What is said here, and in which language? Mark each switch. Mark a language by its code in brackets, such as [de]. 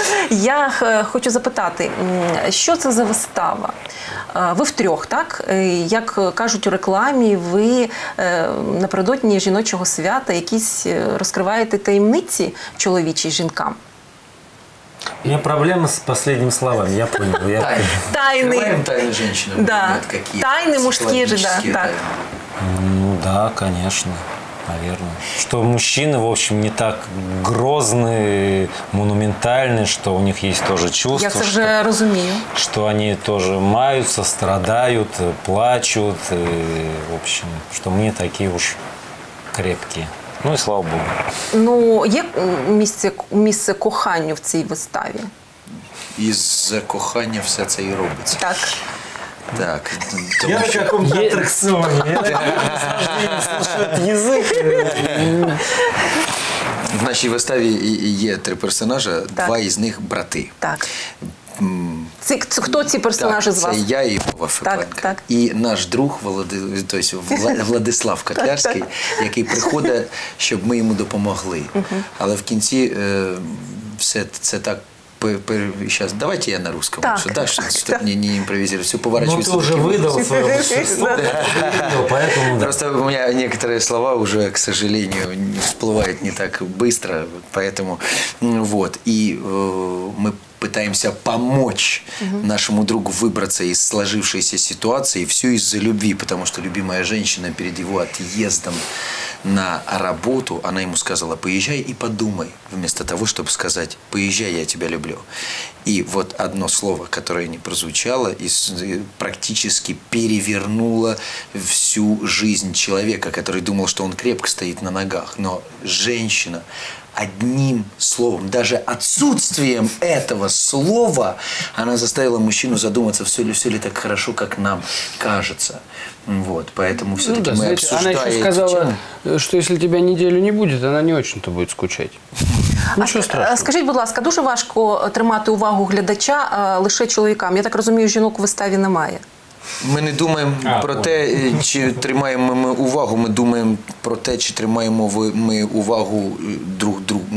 [uk] Я хочу запитати, що це за вистава? Ви втрьох, так? Як кажуть у рекламі, ви напередодні жіночого свята якісь розкриваєте таємниці чоловічі жінкам? [ru] У меня проблема с последними словами, я понял. Тайны. Тайны женщины. Да. Тайны мужские же, да. Ну да, конечно. Наверное. Что мужчины, в общем, не так грозны, монументальны, что у них есть тоже чувства. Я это же разумею. Что они тоже маются, страдают, плачут. И, в общем, что мы не такие уж крепкие. Ну и слава Богу. [uk] Ну, есть місце кохання в цій виставі? Из-за кохання все це і робиться. Так. Так, [ru] то я что... в каком-то аттракционе. Язык. [uk] В нашій виставі є три персонажа, два із них брати. Так. Хто ці персонажі з вас? Це я і Вова Федоренко. І наш друг Владислав Котлярський, який приходить, щоб ми йому допомогли. Але в кінці все це так. [ru] Сейчас, давайте я на русском. Так, что, так, так, чтобы так. Не импровизировать. Все поворачивается. Ну, ты уже выдал свое существо. Поэтому, да. Просто у меня некоторые слова уже, к сожалению, всплывают не так быстро. Поэтому вот. И мы пытаемся помочь нашему другу выбраться из сложившейся ситуации. Все из-за любви. Потому что любимая женщина перед его отъездом на работу, она ему сказала: поезжай и подумай, вместо того, чтобы сказать: поезжай, я тебя люблю. И вот одно слово, которое не прозвучало, практически перевернуло всю жизнь человека, который думал, что он крепко стоит на ногах. Но женщина одним словом, даже отсутствием этого слова, она заставила мужчину задуматься, все ли так хорошо, как нам кажется. Вот, поэтому все-таки, ну, да, мы, знаете, обсуждаем. Она еще сказала, что если тебя неделю не будет, она не очень-то будет скучать. Ничего страшного. [uk] Скажите, будь ласка, дуже важко тримати увагу глядача лише чоловікам. Я так розумію, жінок в виставі немає. Ми не думаємо про те, чи тримаємо ми увагу, ми думаємо про те, чи тримаємо ми увагу друг друга.